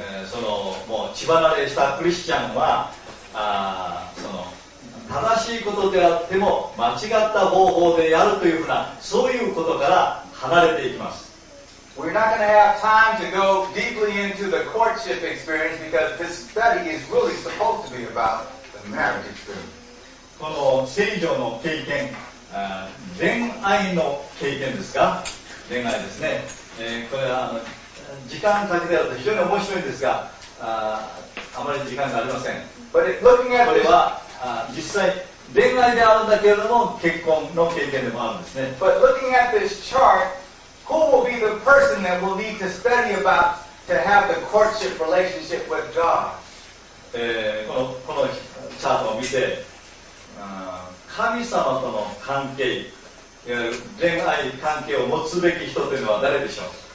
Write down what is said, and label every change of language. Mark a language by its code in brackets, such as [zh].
[ja] そのもう血離れしたクリスチャンはその正しいことであっても間違った方法でやるというふうなそういうことから離れていきます。 [en] We're not going to have time to go deeply into the courtship experience because this study is really supposed to be about the marriage experience. [ja] この聖女の経験、恋愛の経験ですか、恋愛ですね、これは時間かけてやると非常に面白いんですが、あまり時間がありません。これは実際恋愛であるんだけれども結婚の経験でもあるんですね。 [en] But looking at this chart, who will be the person that we'll need to study about to have the courtship relationship with God? [ja] このチャートを見て、神様との関係、恋愛関係を持つべき人というのは誰でしょう。